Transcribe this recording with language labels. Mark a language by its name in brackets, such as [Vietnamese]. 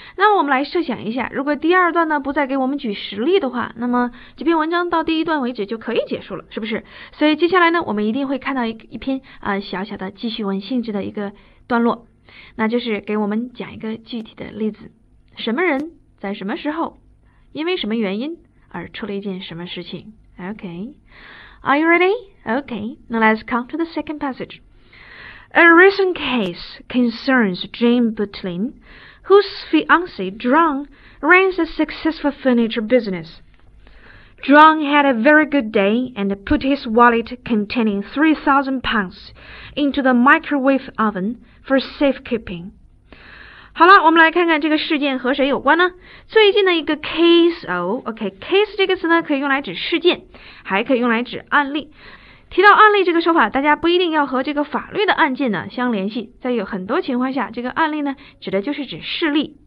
[Chinese] 那么我们来设想一下，如果第二段呢不再给我们举实例的话，那么这篇文章到第一段为止就可以结束了，是不是？所以接下来呢我们一定会看到一篇小小的记叙文性质的一个段落，那就是给我们讲一个具体的例子，什么人在什么时候因为什么原因而出了一件什么事情。 [English] OK, are you ready? OK, now let's come to the second passage. A recent case concerns Jane Butlin, whose fiancé, John, runs a successful furniture business. John had a very good day and put his wallet containing £3,000 into the microwave oven for safekeeping. [Chinese] 好了，我们来看看这个事件和谁有关呢？最近的一个 case 这个词呢可以用来指事件，还可以用来指案例。提到案例这个说法，大家不一定要和这个法律的案件呢相联系，在有很多情况下这个案例呢指的就是指事例。